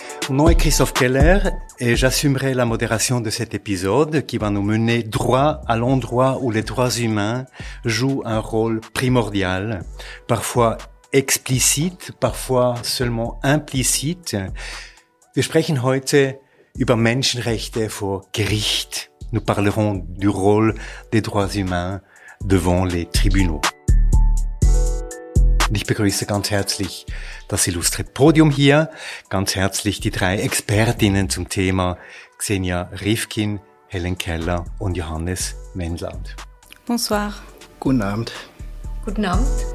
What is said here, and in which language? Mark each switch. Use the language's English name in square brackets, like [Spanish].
[French] Mon nom est Christophe Keller et j'assumerai la modération de cet épisode qui va nous mener droit à l'endroit où les droits humains jouent un rôle primordial, parfois explicite, parfois seulement implicite. [German] Wir sprechen heute über Menschenrechte vor Gericht. [French] Nous parlerons du rôle des droits humains devant les tribunaux. [German] Ich begrüße ganz herzlich das illustre Podium hier, ganz herzlich die drei Expertinnen zum Thema, Xenia Rifkin, Helen Keller und Johannes Wendland. [French] Bonsoir. [German] Guten Abend. Guten Abend.